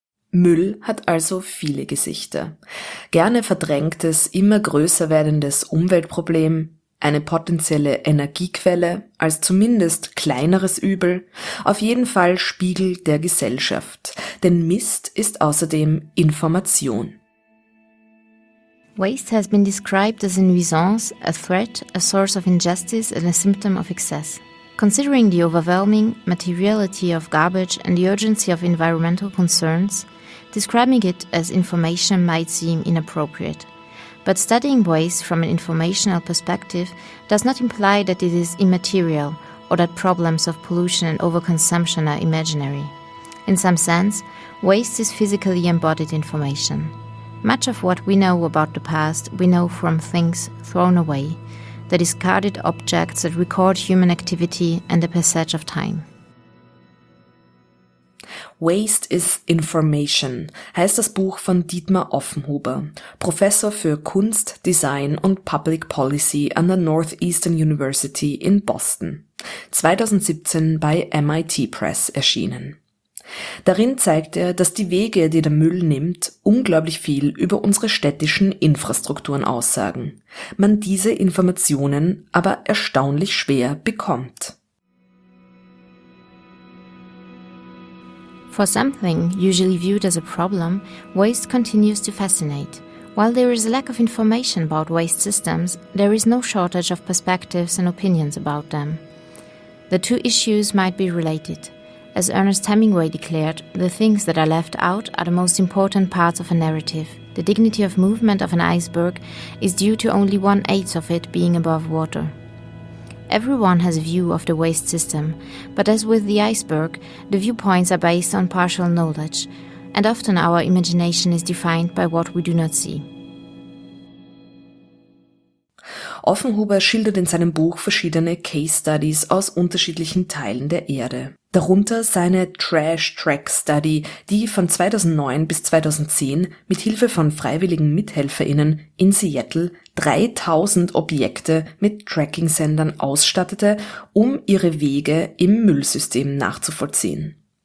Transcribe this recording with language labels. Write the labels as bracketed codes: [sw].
[de] Müll hat also viele Gesichter. Gerne verdrängtes, immer größer werdendes Umweltproblem, eine potenzielle Energiequelle, als zumindest kleineres Übel, auf jeden Fall Spiegel der Gesellschaft. Denn Mist ist außerdem Information. [en] Waste has been described as a nuisance, a threat, a source of injustice and a symptom of excess. Considering the overwhelming materiality of garbage and the urgency of environmental concerns, Describing it as information might seem inappropriate. But studying waste from an informational perspective does not imply that it is immaterial or that problems of pollution and overconsumption are imaginary. In some sense, waste is physically embodied information. Much of what we know about the past we know from things thrown away, the discarded objects that record human activity and the passage of time. [de] Waste is Information heißt das Buch von Dietmar Offenhuber, Professor für Kunst, Design und Public Policy an der Northeastern University in Boston, 2017 bei MIT Press erschienen. Darin zeigt er, dass die Wege, die der Müll nimmt, unglaublich viel über unsere städtischen Infrastrukturen aussagen, man diese Informationen aber erstaunlich schwer bekommt. [en] For something usually viewed as a problem, waste continues to fascinate. While there is a lack of information about waste systems, there is no shortage of perspectives and opinions about them. The two issues might be related. As Ernest Hemingway declared, the things that are left out are the most important parts of a narrative. The dignity of movement of an iceberg is due to only 1/8 of it being above water. Everyone has a view of the waste system, but as with the iceberg, the viewpoints are based on partial knowledge, and often our imagination is defined by what we do not see. [de] Offenhuber schildert in seinem Buch verschiedene Case Studies aus unterschiedlichen Teilen der Erde. Darunter seine Trash Track Study, die von 2009 bis 2010 mit Hilfe von freiwilligen MithelferInnen in Seattle 3000 Objekte mit Tracking-Sendern ausstattete, um ihre Wege im Müllsystem nachzuvollziehen.